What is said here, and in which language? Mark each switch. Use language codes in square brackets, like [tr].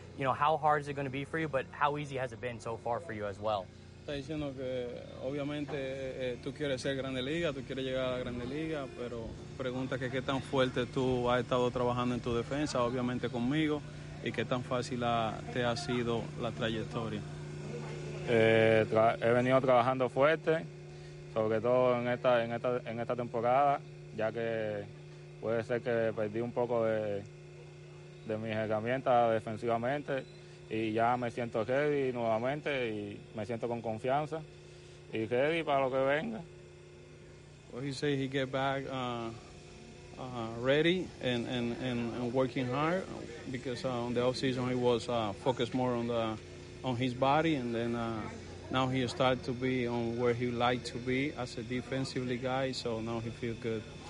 [en] You know, how hard is it going to be for you, but how easy has it been so far for you as well? [es] Está diciendo que obviamente tú quieres ser grande liga, tú quieres llegar a la grande liga, pero pregunta que qué tan fuerte tú has estado trabajando en tu defensa, obviamente conmigo, y qué tan fácil te ha sido la trayectoria. He venido trabajando fuerte, sobre todo en esta temporada, ya que puede ser que perdí un poco de mis herramientas defensivamente. Y ya me siento ready nuevamente y me siento con confianza y ready para lo que venga. [en] Well, he said he get back ready and working hard because on the offseason he was focused more on his body, and then now he started to be on where he liked to be as a defensively guy, so now he feels good.